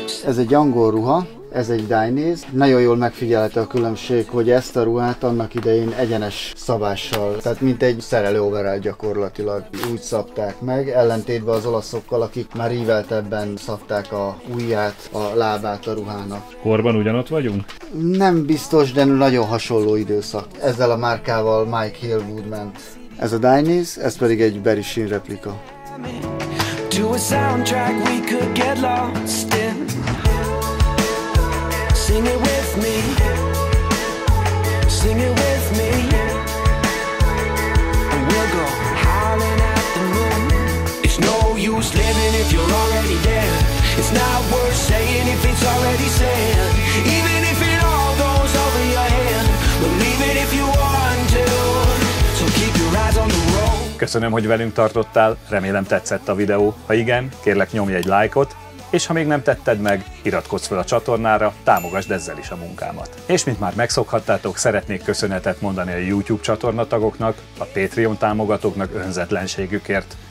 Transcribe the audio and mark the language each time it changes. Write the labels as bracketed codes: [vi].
[hu] Ez egy angol ruha, ez egy Dainese. Nagyon jól megfigyelte a különbség, hogy ezt a ruhát annak idején egyenes szabással, tehát mint egy szerelő overall gyakorlatilag úgy szabták meg, ellentétben az olaszokkal, akik már íveltebben szabták a ujját, a lábát a ruhának. Korban ugyanott vagyunk? Nem biztos, de nagyon hasonló időszak. Ezzel a márkával Mike Hillwood ment. Ez a Dainese, ez pedig egy Berishin replika. [en] To a soundtrack we could get lost in. Sing it with me. Sing it with me. And we'll go howling at the moon. It's no use living if you're already dead. It's not worth saying if it's already said. Even if it all goes over your head, believe it if you want to. So keep your eyes on the road. [hu] Köszönöm, hogy velünk tartottál, remélem tetszett a videó. Ha igen, kérlek nyomj egy lájkot, és ha még nem tetted meg, iratkozz fel a csatornára, támogasd ezzel is a munkámat. És mint már megszokhattátok, szeretnék köszönetet mondani a YouTube csatorna tagoknak, a Patreon támogatóknak önzetlenségükért.